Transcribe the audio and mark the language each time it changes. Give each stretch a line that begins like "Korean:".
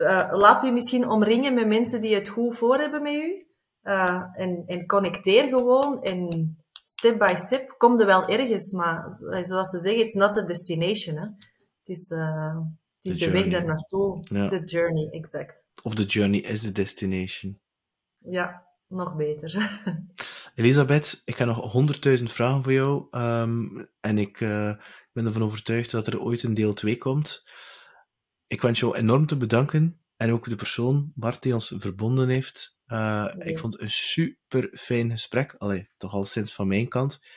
Dutch: Laat u misschien omringen met mensen die het goed voor hebben met u. En connecteer gewoon en
English: step by step
Dutch: kom er wel ergens, maar zoals ze zeggen,
English: it's not the destination,
Dutch: hè. Het is de weg daarnaartoe. Ja.
English: The journey,
Dutch: exact.
English: Of the journey is the destination.
Dutch: Ja, nog beter. Elisabeth, ik heb nog 100.000 vragen voor jou en ik ben ervan overtuigd dat er ooit een deel 2 komt. Ik wens jou enorm te bedanken en ook de persoon, Bart, die ons verbonden heeft. Yes. Ik vond het een super fijn gesprek. Allee, toch al sinds van mijn kant.